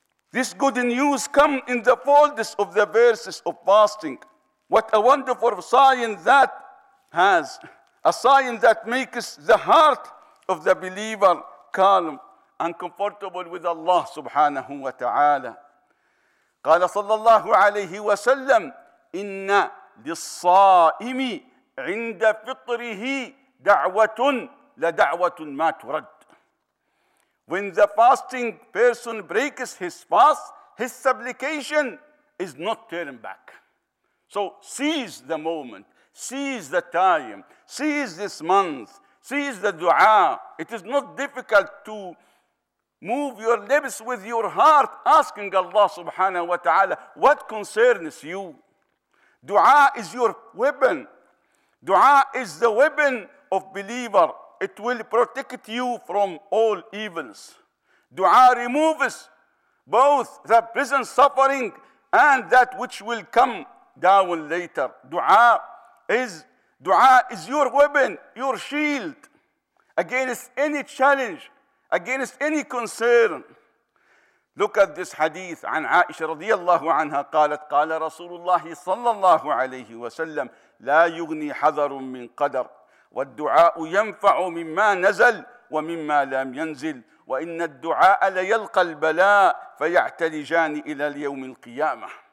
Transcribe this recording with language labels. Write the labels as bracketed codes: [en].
[en] This good news comes in the folds of the verses of fasting. What a wonderful sign that has, a sign that makes the heart of the believer calm and comfortable with Allah subhanahu wa ta'ala. [ar] قال صلى الله عليه وسلم, إن للصائم عند فطره دعوة لدعوة ما ترد. [en] When the fasting person breaks his fast, his supplication is not turned back. So seize the moment, seize the time, seize this month, seize the dua. It is not difficult to move your lips with your heart, asking Allah subhanahu wa ta'ala, what concerns you? Dua is your weapon. Dua is the weapon of believer. It will protect you from all evils. Dua removes both the present suffering and that which will come down later. Dua is your weapon, your shield against any challenge, against any concern. Look at this hadith [ar] عن عائشة رضي الله عنها قالت قال رسول الله صلى الله عليه وسلم لا يغني حذر من قدر والدعاء ينفع مما نزل ومما لم ينزل وإن الدعاء ليلقى البلاء فيعتلجان إلى اليوم القيامة.